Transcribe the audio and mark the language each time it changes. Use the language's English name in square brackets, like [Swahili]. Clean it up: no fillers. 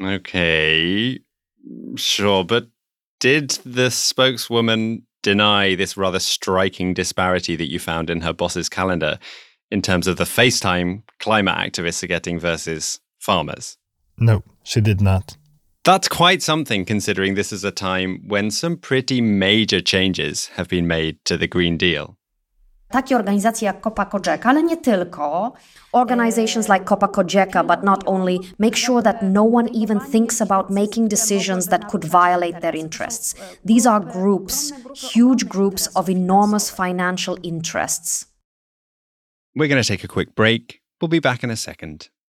[English] Okay, sure, but did the spokeswoman deny this rather striking disparity that you found in her boss's calendar in terms of the FaceTime climate activists are getting versus farmers? No, she did not. That's quite something, considering this is a time when some pretty major changes have been made to the Green Deal. [Polish] Takie organizacje jak Copacogeca, ale nie tylko. [English] Organizations like Copacogeca, but not only, make sure that no one even thinks about making decisions that could violate their interests. These are groups, huge groups of enormous financial interests. We're going to take a quick break. We'll be back in a second.